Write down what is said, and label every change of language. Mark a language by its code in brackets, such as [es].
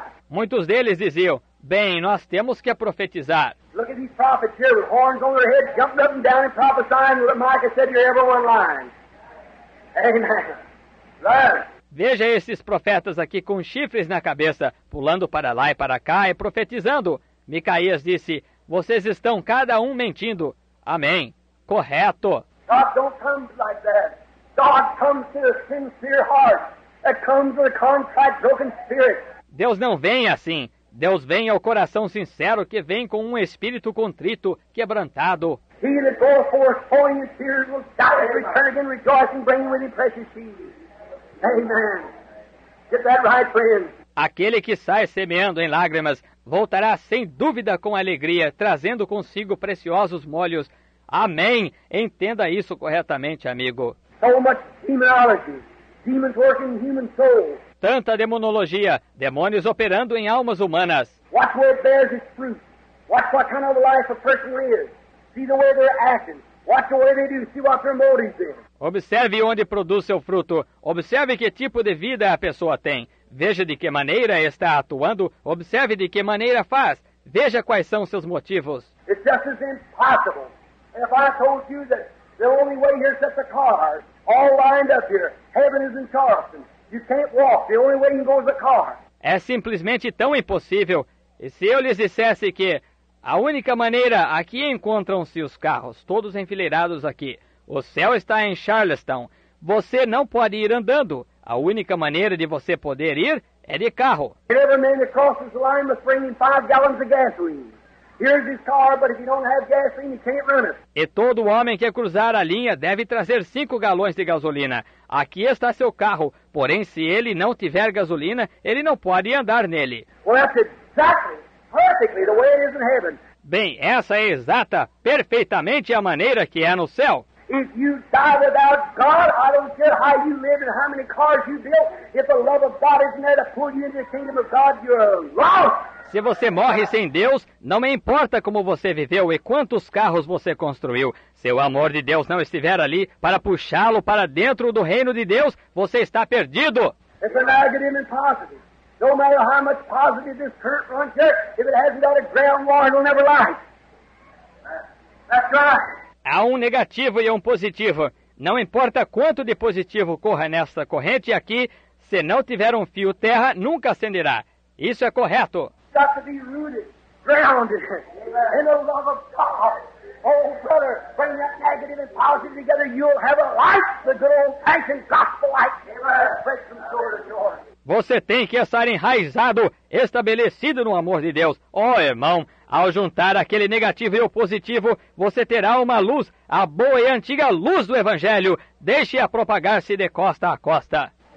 [pt] Muitos deles diziam, bem, nós temos que profetizar. [en] Look at these prophets here with horns on their head, jumping up and down and prophesying. Micah said, you're everyone lying. Amen. [pt] Veja esses profetas aqui com chifres na cabeça, pulando para lá e para cá e profetizando. Micaías disse, vocês estão cada um mentindo. Amém. Correto. [en] God don't come like that. God comes to a sincere heart. That comes with a contrite, broken spirit. [pt] Deus não vem assim. Deus vem ao coração sincero que vem com um espírito contrito, quebrantado. [en] He that goes forth pouring his tears will doubtless return again rejoicing, bringing with him precious sheaves. Amen. Get that right, friend. [pt] Aquele que sai semeando em lágrimas voltará sem dúvida com alegria, trazendo consigo preciosos molhos. Amém. Entenda isso corretamente, amigo. [en] So much demonology. Demons working in human souls. [pt] Tanta demonologia, demônios operando em almas humanas. [en] Watch where it bears its fruit. Watch what kind of life a person lives. See the way they're acting. Watch the way they do. See what their motives are. [pt] Observe onde produz seu fruto. Observe que tipo de vida a pessoa tem. Veja de que maneira está atuando. Observe de que maneira faz. Veja quais são os seus motivos. [en] It's just as impossible. And if I told you that the only way here is that the cars all lined up here, heaven is in Charleston. You can't walk. The only way you can go is a car. [pt] É simplesmente tão impossível. E se eu lhes dissesse que a única maneira aqui encontram-se os carros, todos enfileirados aqui, o céu está em Charleston, você não pode ir andando. A única maneira de você poder ir é de carro. [en] Every man that crosses the line must bring him 5 gallons of gasoline. Here's his car, but if you don't have gasoline, you can't run it. [pt] E todo homem que cruzar a linha deve trazer 5 galões de gasolina. Aqui está seu carro, porém se ele não tiver gasolina, ele não pode andar nele. [en] Well, that's exactly, perfectly the way it is in heaven. [pt] Bem, essa é exata, perfeitamente a maneira que é no céu. [en] If you die without God, I don't care how you live and how many cars you build. If the love of God isn't there to pull you into the kingdom of God, you're lost. [pt] Se você morre sem Deus, não me importa como você viveu e quantos carros você construiu. Se o amor de Deus não estiver ali para puxá-lo para dentro do reino de Deus, você está perdido. [en] It's a negative and positive. No matter how much positive this current runs here, if it hasn't got a ground wall, it'll never last. That's right. [pt] Há um negativo e um positivo. Não importa quanto de positivo corra nesta corrente aqui, se não tiver um fio terra, nunca acenderá. Isso é correto. [en] Got to be rooted, grounded in the love of God. Oh, brother, bring that negative and positive together. You'll have a life, the good old fashioned gospel light. Break from shore to shore. [pt] Você tem que estar enraizado, estabelecido no amor de Deus. Oh, irmão, ao juntar aquele negativo e o positivo, você terá uma luz, a boa e antiga luz do Evangelho. Deixe-a propagar-se de costa a costa.